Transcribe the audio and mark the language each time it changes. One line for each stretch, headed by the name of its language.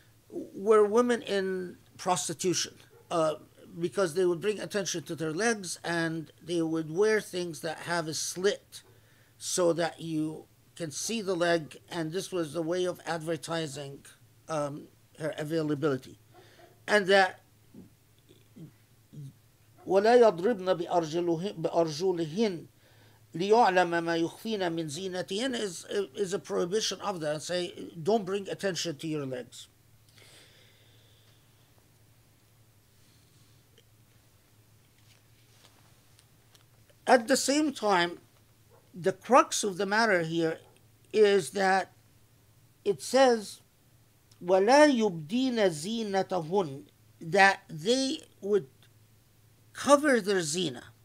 English: were women in prostitution because they would bring attention to their legs and they would wear things that have a slit so that you can see the leg, and this was the way of advertising her availability. And that
Arabic: وَلَا يَضْرِبْنَ بِأَرْجُلِهِنَّ لِيُعْلَمَ مَا يُخْفِينَ مِنْ زِينَتِهِنَّ
English: is a prohibition of that. Say, don't bring attention to your legs. At the same time, the crux of the matter here is that it says
Arabic: وَلَا يُبْدِينَ زِينَتَهُنَّ,
English: that they would cover their zina.